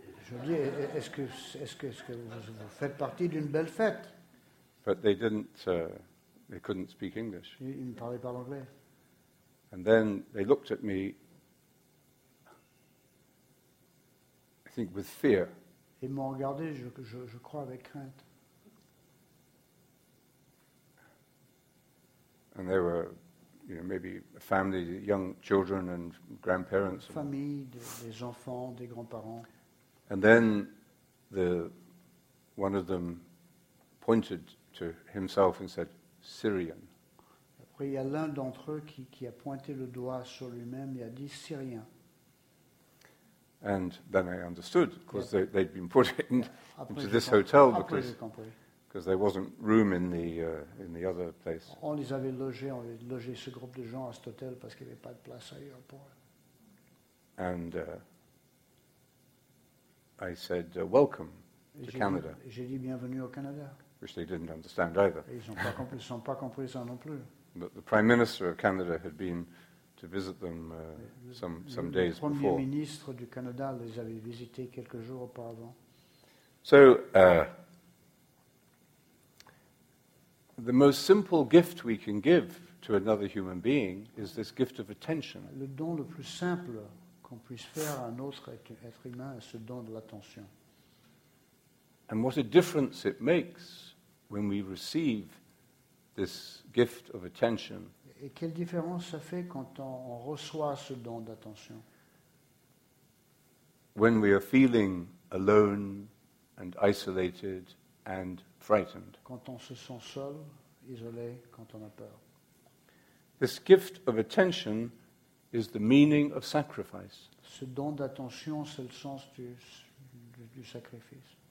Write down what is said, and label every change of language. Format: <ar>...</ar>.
<fr>Je dis, est-ce que vous faites partie d'une belle fête?</fr> <en>But they didn't. They couldn't speak English.</en> <fr>Ils ne parlaient pas l'anglais.</fr> <en>And then they looked at me, I think, with fear.</en> <fr>Ils m'ont regardé, je crois, avec crainte.</fr> <en>And they were, you know, maybe a family, young children and grandparents.</en> <fr>Famille, des enfants, des grands-parents.</fr> <en>And then one of them pointed to himself and said, Syrian.</en> <fr>Il y a l'un d'entre eux qui a pointé le doigt sur lui-même et a dit Syrien.</fr> <en>And then I understood, because they'd been put into this hotel because there wasn't room in the other place.</en> <fr>On les avait logés, on avait logé ce groupe de gens à cet hôtel parce qu'il n'y avait pas de place ailleurs pour eux.</fr> <en>And I said welcome to Canada.</en> <fr>J'ai dit bienvenue au Canada.</fr> <en>Which they didn't understand either.</en> <fr>Ils n'ont pas compris, ils n'ont pas compris ça non plus.</fr> <en>But the Prime Minister of Canada had been to visit them some days before.</en> <fr>Le Premier ministre du Canada les avait visités quelques jours auparavant.</fr> <en>So, the most simple gift we can give to another human being is this gift of attention.</en> <fr>Le don le plus simple qu'on puisse faire à un autre être humain est ce don de l'attention.</fr> <en>And what a difference it makes when we receive this gift of attention.</en> <fr>Et quelle différence ça fait quand on reçoit ce don d'attention?</fr> <en>When we are feeling alone and isolated and frightened.</en> <fr>Quand on se sent seul, isolé, quand on a peur.</fr> <en>This gift of attention is the meaning of sacrifice.</en> <fr>Ce don d'attention, c'est le sens du sacrifice.</fr>